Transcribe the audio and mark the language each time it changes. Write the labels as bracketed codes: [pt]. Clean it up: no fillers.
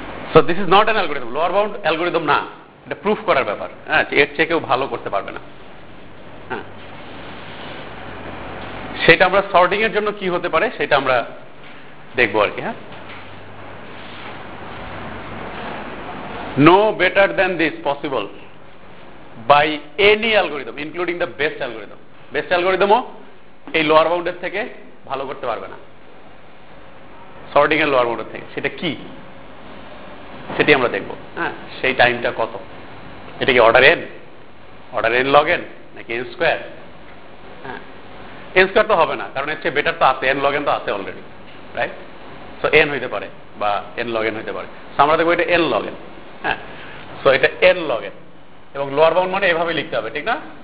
[en] so this is not an algorithm, lower bound algorithm [bn] না, এটা proof করার ব্যাপার। হ্যাঁ, এর চেয়ে কেউ ভালো করতে পারবে না। হ্যাঁ, সেটা আমরা সর্টিং এর জন্য কি হতে পারে সেটা আমরা দেখবো আর কি। [en] হ্যাঁ, no better than this possible by any algorithm including the best algorithm, best algorithm [bn] ও এই lower bound এর থেকে [en] ভালো করতে পারবে না sorting এর lower bound এর থেকে। [bn] সেটা কি সেটাই আমরা দেখব। হ্যাঁ, সেই টাইমটা কত, এটা কি order n, order n log n নাকি n square? হ্যাঁ, n square তো হবে না, কারণ এর চেয়ে বেটার তো আছে, n log n তো আছে অলরেডি, রাইট? সো n হইতে পারে বা n log n হইতে পারে, সো আমরা দেখবো এটা n log n। হ্যাঁ, সো এটা এন লগ এন, এবং লোয়ার বাউন্ড মানে এভাবে লিখতে হবে, ঠিক না?